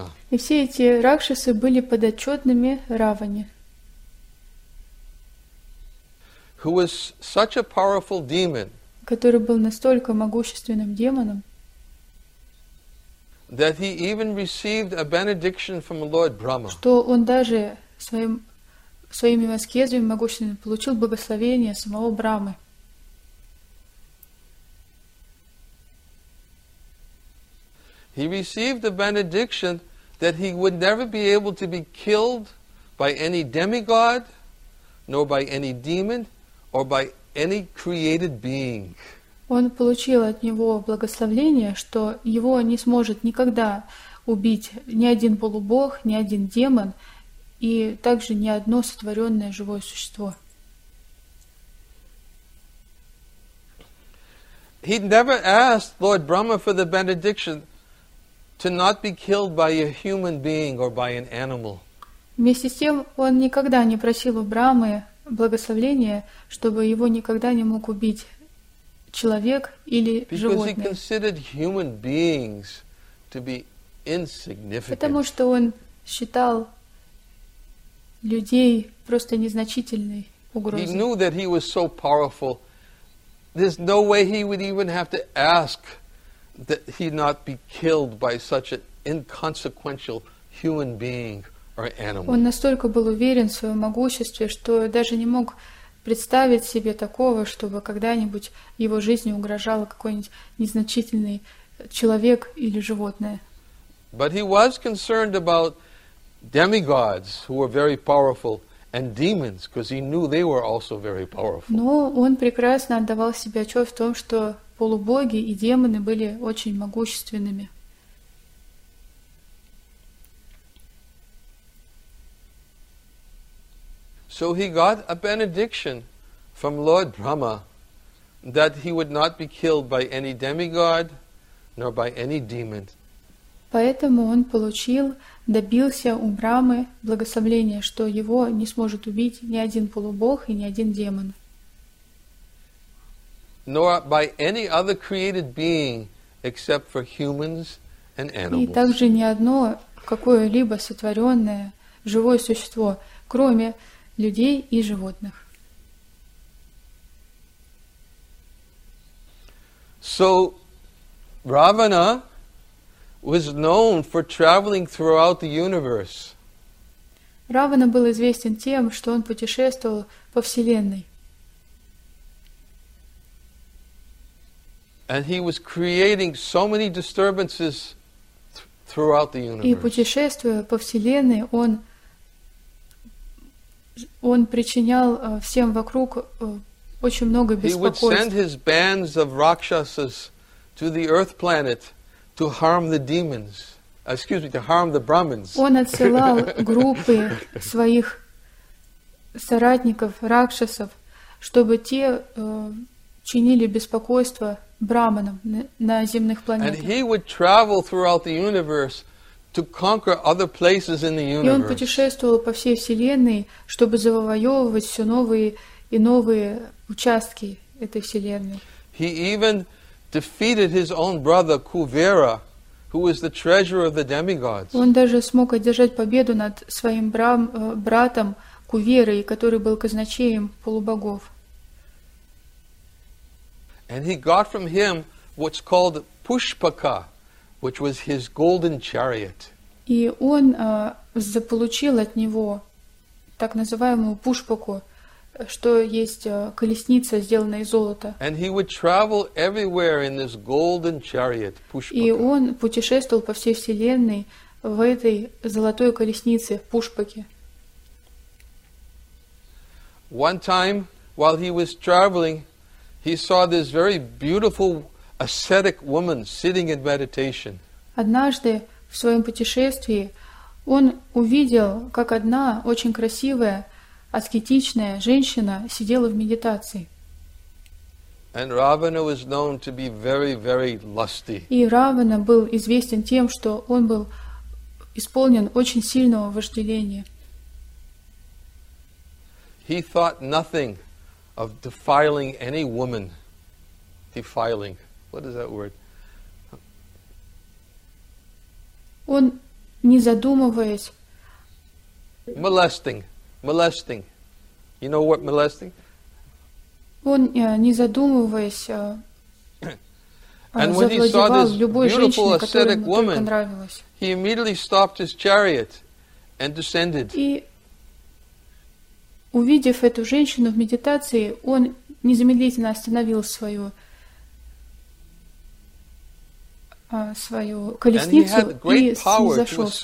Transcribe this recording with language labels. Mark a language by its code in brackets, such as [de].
[ru] И все эти ракшасы были подотчетными Раване. [en] Who was such a powerful demon, [ru] который был настолько могущественным демоном, [en] that he even received a benediction from Lord Brahma. [ru] Что он даже своими аскезами могущественными получил благословение самого Брамы. [en] He received a benediction that he would never be able to be killed by any demigod, nor by any demon, or by any created being. [ru] Он получил от него благословение, что его не сможет никогда убить ни один полубог, ни один демон, и также ни одно сотворенное живое существо. [en] He never asked Lord Brahma for the benediction to not be killed by a human being or by an animal. [ru] Вместе с тем, он никогда не просил у Брамы благословения, чтобы его никогда не мог убить человек или животное. [en] Because he considered human beings to be insignificant. [ru] Потому что он считал людей просто незначительной угрозой. [en] He knew that he was so powerful. There's no way he would even have to ask that he not be killed by such an inconsequential human being or animal. [ru] Он настолько был уверен в своем могуществе, что даже не мог представить себе такого, чтобы когда-нибудь его жизни угрожало какой-нибудь незначительный человек или животное. [en] But he was concerned about demigods, who were very powerful, and demons, because he knew they were also very powerful. [ru] Но он прекрасно отдавал себе отчет в том, что полубоги и демоны были очень могущественными. [en] So he got a benediction from Lord Brahma that he would not be killed by any demigod, nor by any demon. [ru] Поэтому он получил, добился у Брамы благословения, что его не сможет убить ни один полубог и ни один демон. [en] Nor by any other created being, except for humans and animals. [ru] И также ни одно какое-либо сотворенное живое существо, кроме людей и животных. [en] So, Ravana was known for traveling throughout the universe. [ru] Равана был известен тем, что он путешествовал по вселенной. [en] And he was creating so many disturbances throughout the universe. [ru] И путешествуя по вселенной, он причинял всем вокруг очень много беспокойств. [en] He would send his bands of rakshasas to the Earth planet to harm the demons, excuse me, to harm the Brahmins. [ru] Он отсылал группы своих соратников, ракшасов, чтобы те чинили беспокойство браманам на земных планетах. [en] And he would travel throughout the universe to conquer other places in the universe. [ru] И он путешествовал по всей вселенной, чтобы завоевывать все новые и новые участки этой вселенной. [en] He even defeated his own brother Kuvera, who was the treasurer of the demigods. [ru] Он даже смог одержать победу над своим братом Куверой, который был казначеем полубогов. [en] And he got from him what's called Pushpaka, which was his golden chariot. [ru] И он заполучил от него так называемую пушпаку, что есть колесница, сделанная из золота. [en] And he would travel everywhere in this golden chariot, пушпака. [ru] И он путешествовал по всей вселенной в этой золотой колеснице, пушпаке. [en] One time, while he was traveling, he saw this very beautiful ascetic woman sitting in meditation. [ru] Однажды в своем путешествии он увидел, как одна очень красивая, аскетичная женщина сидела в медитации. [en] And Ravana was known to be very, very lusty. [ru] И Равана был известен тем, что он был исполнен очень сильного вожделения. [en] He thought nothing of defiling any woman. Defiling. What is that word? [ru] Он, не задумываясь. [en] Molesting. Molesting. You know what molesting? [ru] Он, не задумываясь, [en] and when he saw this beautiful ascetic woman, he immediately stopped his chariot and descended. [ru] Увидев эту женщину в медитации, он незамедлительно остановил свою колесницу и зашел с